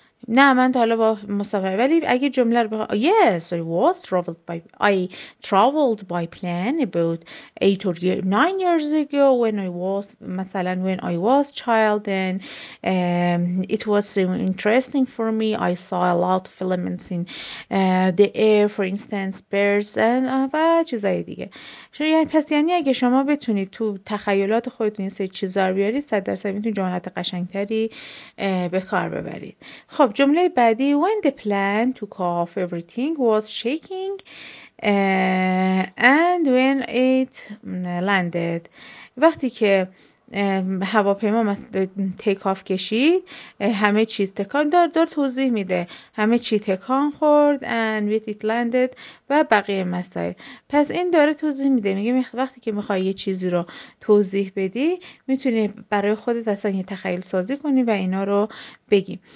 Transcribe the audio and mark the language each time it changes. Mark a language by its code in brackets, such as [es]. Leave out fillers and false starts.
[fa] نه من تا حالا با مسافرت، ولی اگه جمله رو بخوام [en] yes I was traveled by I traveled by plane about 8 or 9 years ago when I was مثلا when I was child and it was so interesting for me. I saw a lot of elements in the air, for instance birds and [fa] و چیزای دیگه. پس یعنی اگه شما بتونید تو تخیلات خودتون سه چیزا رو بیارید، 100% میتونید جملات قشنگتری به کار ببرید. [en] خب جمله بعدی، when the plan took off everything was shaking and when it landed. [fa] وقتی که هواپیما تیک آف کشید همه چیز تکان دار توضیح میده، همه چی تکان خورد [en] and when it landed [fa] و بقیه مسائل. پس این داره توضیح میده، میگه وقتی که میخوای یه چیزی رو توضیح بدی میتونی برای خودت اصلا یه تخیل سازی کنی و اینا رو بگی.